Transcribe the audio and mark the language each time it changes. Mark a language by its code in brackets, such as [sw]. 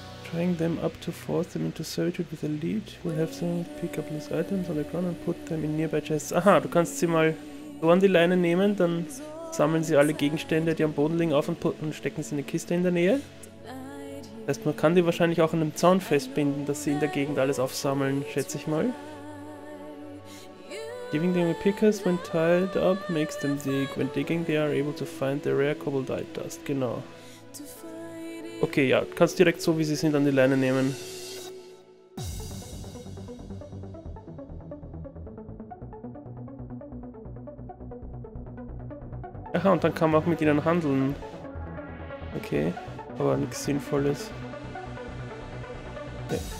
[en] Trying them up to force them into servitude with a lead. We'll have to pick up these items on the ground and put them in nearby chests. [de] Aha, du kannst sie mal so an die Leine nehmen, dann sammeln sie alle Gegenstände, die am Boden liegen, auf und stecken sie in eine Kiste in der Nähe. Das heißt, man kann die wahrscheinlich auch an einem Zaun festbinden, dass sie in der Gegend alles aufsammeln, schätze ich mal. [en] Giving them a pickaxe when tied up makes them dig. When digging, they are able to find the rare Koboldite dust. [de] Genau. Okay, ja, kannst direkt so, wie sie sind, an die Leine nehmen. Aha, und dann kann man auch mit ihnen handeln. Okay, aber nichts Sinnvolles. Okay.